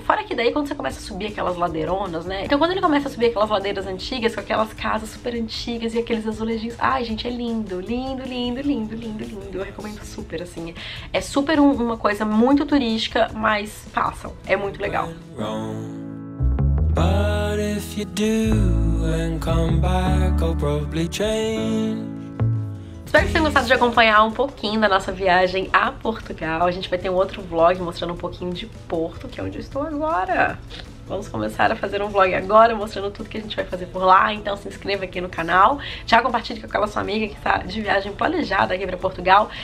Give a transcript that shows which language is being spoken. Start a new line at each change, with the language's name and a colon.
Portuguese: Fora que daí quando você começa a subir aquelas ladeironas, né? Então quando ele começa a subir aquelas ladeiras antigas, com aquelas casas super antigas e aqueles azulejinhos... Ai, gente, é lindo, lindo, lindo, lindo, lindo, lindo. Eu recomendo super, assim. É super uma coisa muito turística, mas façam, é muito legal.
English: But if you do and come back, I'll probably change.
Portuguese: Espero que vocês tenham gostado de acompanhar um pouquinho da nossa viagem a Portugal. A gente vai ter um outro vlog mostrando um pouquinho de Porto, que é onde eu estou agora. Vamos começar a fazer um vlog agora, mostrando tudo que a gente vai fazer por lá. Então se inscreva aqui no canal. Já compartilhe com aquela sua amiga que está de viagem planejada aqui para Portugal.